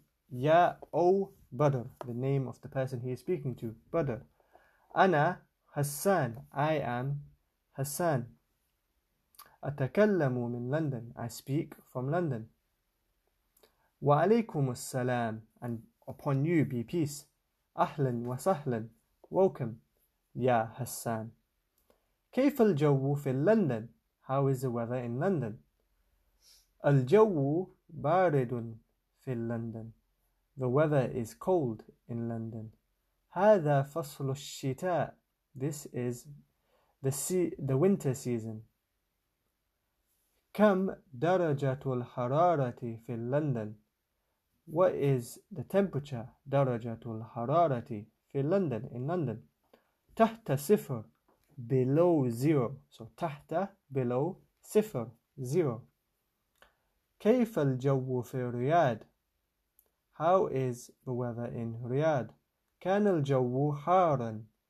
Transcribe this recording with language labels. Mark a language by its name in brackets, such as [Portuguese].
[English] Ya O Badr. The name of the person he is speaking to. Badr. Ana Hassan. I am Hassan. [Arabic] أتكلم من لندن. [English] I speak from London. [Arabic] وعليكم السلام, [English] and upon you be peace. [Arabic] أهلا وسهلا, [English] welcome, [Arabic] يا حسان. كيف الجو في لندن؟ [English] How is the weather in London? [Arabic] الجو بارد في لندن. [English] The weather is cold in London. [Arabic] هذا فصل الشتاء. [English] This is the winter season. [Arabic] كم درجة الحرارة في لندن؟ [English] What is the temperature, [Arabic] درجة الحرارة, في لندن, [English] in London? [Arabic] تحت صفر, [English] below zero. So, تحت, below, صفر, zero. [Arabic] كيف الجو في رياض? [English] How is the weather in Riyadh? [Arabic] كان الجو حارا.